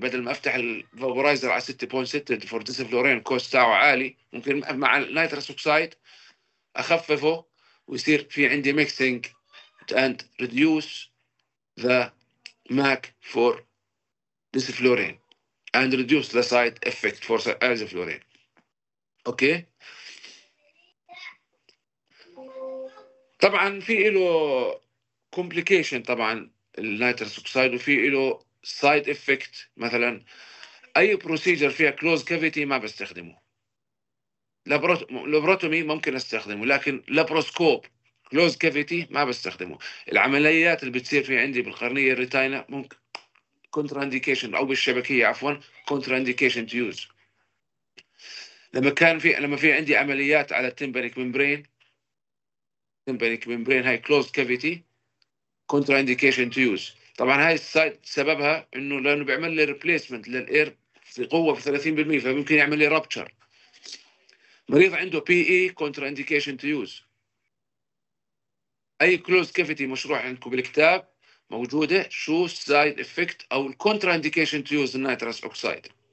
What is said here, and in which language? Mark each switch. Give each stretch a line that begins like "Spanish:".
Arabic: بدل ما افتح الفابورايزر على 6.6 فور ديسفلورين كوست تاعه عالي، ممكن مع النيتروس اوكسايد اخففه ويصير في عندي ميكسينج اند ريديوس ذا ماك فور ديسفلورين.
English: and reduce the side effect for azathioprine. Okay.
Arabic: طبعا في إلو complication طبعا النيتروس أوكسيد وفي إلو side effect مثلا أي procedure فيها close cavity ما بستخدمه. لابروتومي ممكن استخدمه لكن لابروسكوب كلوز كافيتي ما بستخدمه. العمليات اللي بتصير في عندي بالقرنية الريتينا ممكن كونترا انديكيشن او بالشبكية عفوا كونترا انديكيشن تو يوز. لما في عندي عمليات على التيمبانيك ممبرين هاي كلوز كافيتي كونترا انديكيشن تو يوز. طبعا هاي السايد سببها انه لانه بيعمل لي ريبليسمنت للاير في قوة في 30% فممكن يعمل لي رابتشر. مريض عنده
English: PE contraindication to use. أي closed cavity
Arabic: مشروع عندكم بالكتاب موجودة شو
English: side effect أو contraindication to use nitrous oxide.